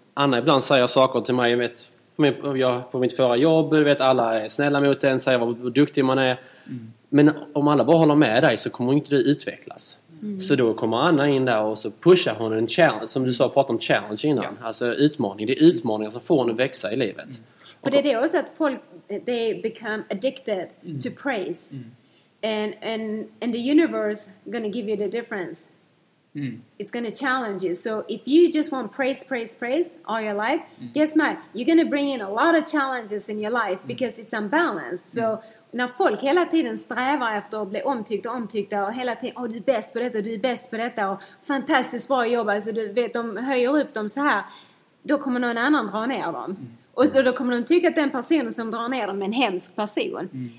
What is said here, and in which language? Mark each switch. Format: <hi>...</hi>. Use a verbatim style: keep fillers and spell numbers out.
<sv>Anna ibland säger saker till mig. Jag vet, jag, på mitt förra jobb, vet, alla är snälla mot en, säger vad duktig man är. Mm. Men om alla bara håller med dig så kommer inte du utvecklas. Mm. Så då kommer Anna in där och så pushar hon en challenge. Som du sa, pratade om challenge innan. Ja. Alltså utmaning. Det är utmaningar som får henne växa i livet. Mm. För det är det också att folk,</sv> <en>they become addicted</en> <sv>mm.</sv> <en>to praise. Mm. And, and, and the universe gonna give you the difference. Mm. It's gonna challenge you. So if you just want praise, praise, praise all your life, mm. guess what? You're gonna bring in a lot of challenges in your life because it's unbalanced. So mm.</en> <sv>när folk hela tiden strävar efter att bli omtyckta och omtyckta och hela tiden, åh, du är bäst på detta och du är bäst på detta och fantastiskt bra jobb, alltså du vet, de höjer upp dem så här, då kommer någon annan dra ner dem. Mm. Och så, då kommer de tycka att den personen som drar ner dem är en hemsk person. Mm.</sv>